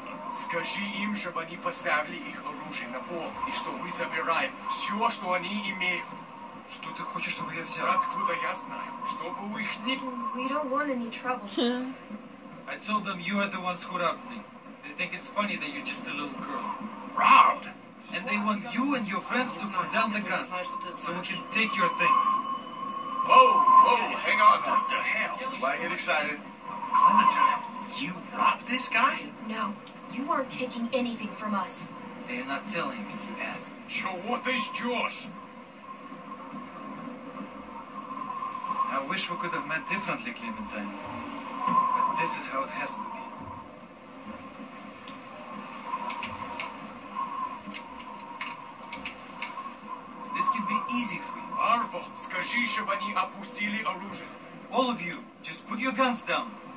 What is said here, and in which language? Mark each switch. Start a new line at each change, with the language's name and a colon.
Russian: Скажи им, чтобы они поставили их оружие на пол, и что мы забираем все, что они имеют. Что ты хочешь, чтобы я взял? Откуда я знаю? Чтобы у их не...
English: We don't want any trouble. I told them you are the ones who robbed me. They think it's funny that you're just a little girl. Robbed? And they want you and your friends to put down the guns, so we can take your things. Whoa, whoa, hang on. What the hell? Why get excited? Clementine, you robbed this guy? No. You aren't taking anything from us. They're not telling me to ask. So what is Josh? I wish we could have met differently, Clementine. But this is how it has to be. This can be easy for you.
Russian: Arvo, скажи, чтобы они опустили оружие.
English: All of you, just put your guns down.